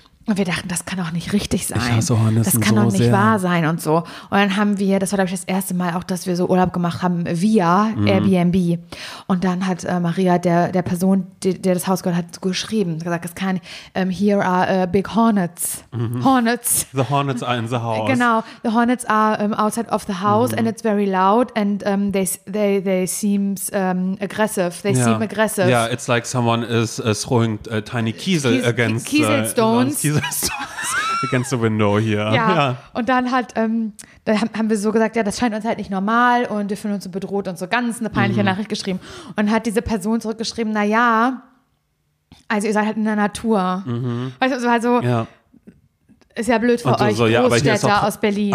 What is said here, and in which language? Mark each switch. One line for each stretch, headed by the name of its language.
German: Und wir dachten, das kann doch nicht richtig sein. Ich hasse Hornissen, das kann doch so nicht sehr wahr sein und so. Und dann haben wir, das war glaube ich das erste Mal auch, dass wir so Urlaub gemacht haben via Airbnb. Und dann hat Maria, der Person, der das Haus gehört hat, geschrieben, gesagt, es kann,
English: here are big hornets. Hornets. The hornets are in the house. Genau, the hornets are outside of the house and it's very loud and they seems aggressive. They seem aggressive. Yeah, it's like someone is throwing tiny kiesel against Kieselstones. Against the window hier.
German: Ja. Und dann hat, dann haben wir so gesagt, ja, das scheint uns halt nicht normal und wir fühlen uns so bedroht und so ganz eine peinliche Nachricht geschrieben. Und hat diese Person zurückgeschrieben, naja, also ihr seid halt in der Natur. Weißt du, also, ist ja blöd für euch, Großstädter aus Berlin.